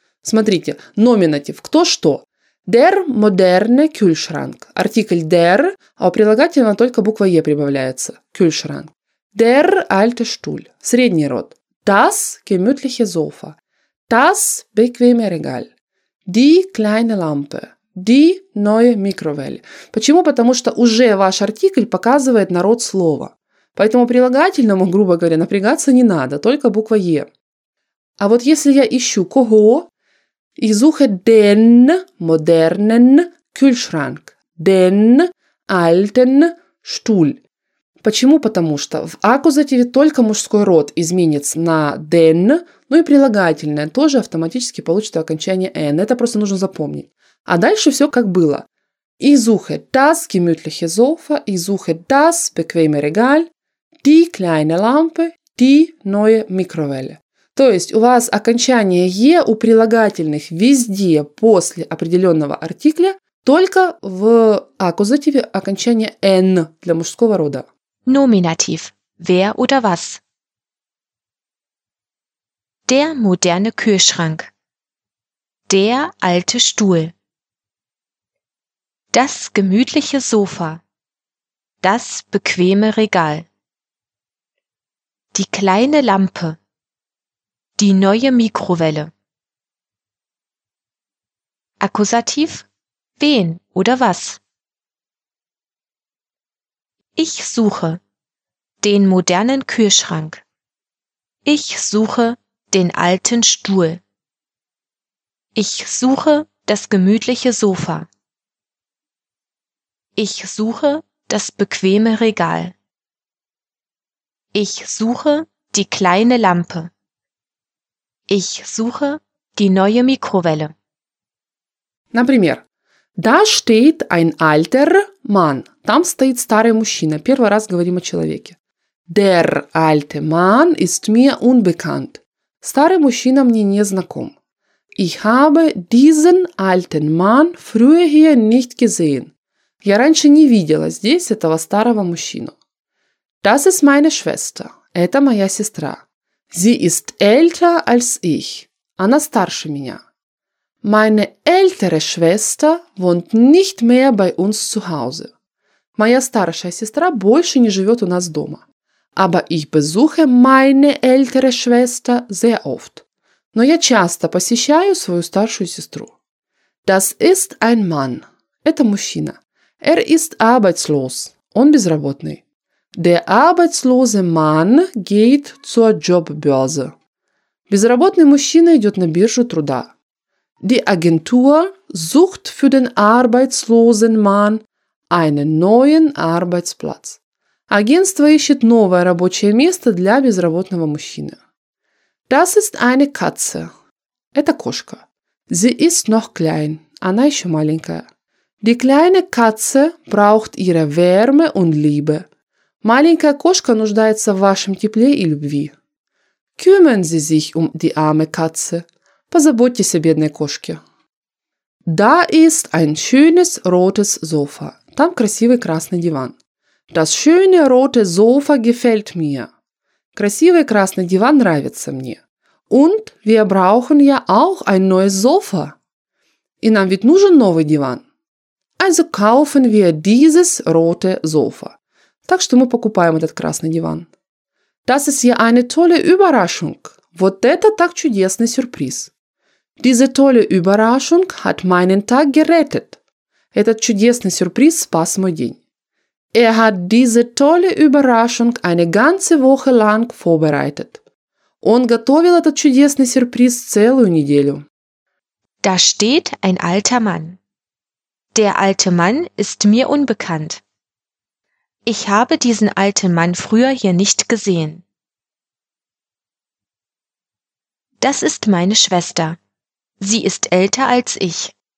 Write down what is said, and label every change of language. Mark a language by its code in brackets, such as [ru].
[ru] Смотрите, номинатив, кто что? [de] Der moderne Kühlschrank. [ru] Артикль «der», а у прилагательного только буква «е» прибавляется. [de] Kühlschrank. Der alte Stuhl. [ru] Средний род. [de] Das gemütliche Sofa. Das bequeme Regal. Die kleine Lampe. Die neue Mikrowelle. [ru] Почему? Потому что уже ваш артикль показывает на род слова. Поэтому прилагательному, грубо говоря, напрягаться не надо, только буква «е». А вот если я ищу кого, [de] ich suche den modernen Kühlschrank. [ru] Den alten Stuhl. Почему? Потому что в акузативе только мужской род изменится на den, ну и прилагательное тоже автоматически получит окончание n. Это просто нужно запомнить. А дальше все как было. [de] Ich suche das gemütliche Sofa, ich suche das bequeme Regal, die kleine Lampe, die neue Mikrowelle. [ru] То есть у вас окончание «е» у прилагательных везде после определенного артикля, только в акузативе окончание «н» для мужского рода. [de] Nominativ. Wer oder was? Der moderne Kühlschrank. Der alte Stuhl. Das gemütliche Sofa. Das bequeme Regal. Die kleine Lampe. Die neue Mikrowelle. Akkusativ. Wen oder was? Ich suche. Den modernen Kühlschrank. Ich suche den alten Stuhl. Ich suche das gemütliche Sofa. Ich suche das bequeme Regal. Ich suche die kleine Lampe. Ich suche die neue Mikrowelle. [ru] Например, [de] da steht ein alter Mann. [ru] Там стоит старый мужчина. Первый раз говорим о человеке. [de] Der alte Mann ist mir unbekannt. [ru] Старый мужчина мне не знаком. [de] Ich habe diesen alten Mann früher hier nicht gesehen. [ru] Я раньше не видела здесь этого старого мужчину. [de] Das ist meine Schwester. [ru] Это моя сестра. [de] Sie ist älter als ich. [ru] Она старше меня. [de] Meine ältere Schwester wohnt nicht mehr bei uns zu Hause. [ru] Моя старшая сестра больше не живет у нас дома. [de] Aber ich besuche meine ältere Schwester sehr oft. [ru] Но я часто посещаю свою старшую сестру. [de] Das ist ein Mann. [ru] Это мужчина. [de] Ist arbeitslos. [ru] Он безработный. [de] Der arbeitslose Mann geht zur Jobbörse. [ru] Безработный мужчина идет на биржу труда. [de] Die Agentur sucht für den arbeitslosen Mann einen neuen Arbeitsplatz. [ru] Агентство ищет новое рабочее место для безработного мужчины. [de] Das ist eine Katze. [ru] Это кошка. [de] Sie ist noch klein. [ru] Она еще маленькая. [de] Die kleine Katze braucht ihre Wärme und Liebe. [ru] Маленькая кошка нуждается в вашем тепле и любви. [de] Kümmern Sie sich um die arme Katze. [ru] Позаботьтесь о бедной кошке. [de] Da ist ein schönes rotes Sofa. [ru] Там красивый красный диван. [de] Das schöne rote Sofa gefällt mir. [ru] Красивый красный диван нравится мне. [de] Und wir brauchen ja auch ein neues Sofa. [ru] И нам ведь нужен новый диван. [de] Also kaufen wir dieses rote Sofa. [ru] Так что мы покупаем этот красный диван. [de] Das ist ja eine tolle Überraschung. [ru] Вот это так чудесный сюрприз. [de] Diese tolle Überraschung hat meinen Tag gerettet. [ru] Этот чудесный сюрприз спас мой день. [de] Hat diese tolle Überraschung eine ganze Woche lang vorbereitet. [ru] Он готовил этот чудесный сюрприз целую неделю. [de] Da steht ein alter Mann. Der alte Mann ist mir unbekannt. Ich habe diesen alten Mann früher hier nicht gesehen. Das ist meine Schwester. Sie ist älter als ich.